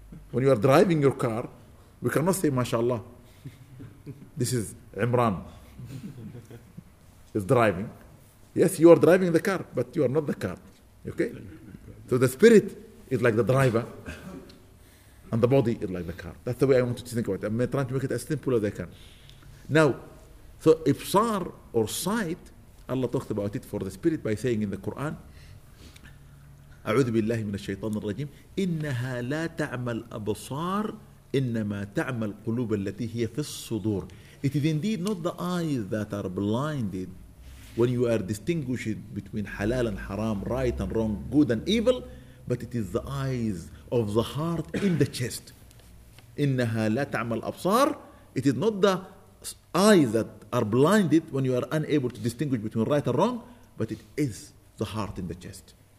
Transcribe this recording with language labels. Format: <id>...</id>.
<en>When you are driving your car, we cannot say, mashallah, this is Imran. It's driving. Yes, you are driving the car, but you are not the car. Okay? So the spirit is like the driver, and the body is like the car. That's the way I want you to think about it. I'm trying to make it as simple as I can. Now, so ifsar or sight, Allah talks about it for the spirit by saying in the Quran,</en> <ar>أعوذ بالله من الشيطان الرجيم إنها لا تعمل أبصار إنما تعمل قلوب التي هي في الصدور.</ar> <en>It is indeed not the eyes that are blinded when you are distinguished between halal and haram, right and wrong, good and evil, but it is the eyes of the heart in the chest.</en> <ar>إنها لا تعمل أبصار.</ar> <en>It is not the eyes that are blinded when you are unable to distinguish between right and wrong, but it is the heart in the chest.</en>